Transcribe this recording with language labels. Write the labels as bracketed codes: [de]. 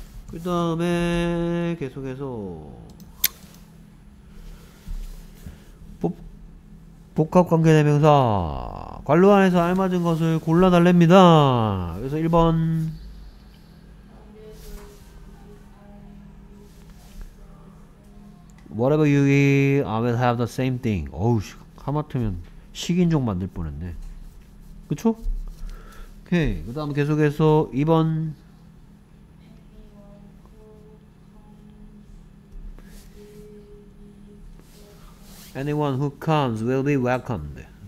[ko] 그 다음에 계속해서 복합관계대명사 관로 안에서 알맞은 것을 골라달랍니다. 그래서 1번 [en] Whatever you eat, I will have the same thing. [ko] 어우 씨, 하마터면 식인종 만들 뻔했네. 그쵸? 오케이, 그 다음 계속해서 2번 [en] Anyone who comes will be welcomed.